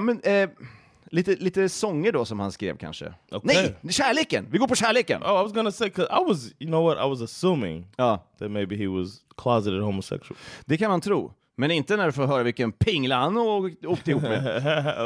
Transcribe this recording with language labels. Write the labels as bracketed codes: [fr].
[sv] Men, lite sånger då som han skrev kanske. [en] Okay. [sv] Nej, kärleken. Vi går på kärleken. [en] Oh, I was gonna say, because I was, you know what, I was assuming that maybe he was closeted homosexual. [sv] Det kan man tro. Men inte när du får höra vilken pingla han åkte ihop med.